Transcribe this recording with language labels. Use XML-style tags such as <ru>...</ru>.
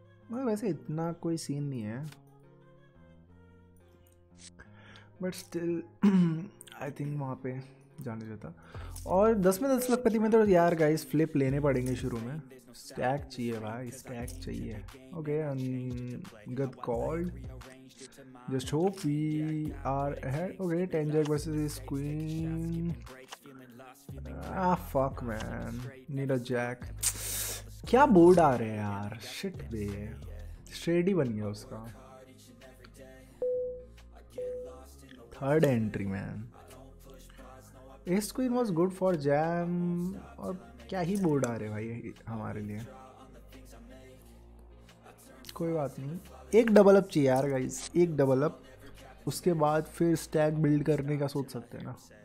<hi>मैं वैसे इतना कोई सीन नहीं है,</hi> <en>but still I think</en> <hi>वहाँ पे जाने जाता. और 10 में 10 लखपति में तो यार गाइस फ्लिप लेने पड़ेंगे शुरू में, स्टैक चाहिए भाई, स्टैक चाहिए.</hi> <en>Okay, good called. Just hope we are ahead. Okay, Tanjak versus his queen. Ah, fuck man. Need a jack.</en> <hi>क्या बोर्ड आ रहे हैं यार.</hi> <en>Shit बे.</en> <hi>Shady बन गया उसका.</hi> <en>Third entry man. His queen was good for jam.</en> <hi>और क्या ही board आ रहे हैं भाई हमारे लिए. कोई बात नहीं. एक डबल अप चाहिए यार गाइस. एक डबल अप उसके बाद फिर स्टैक बिल्ड करने का सोच सकते हैं ना.</hi>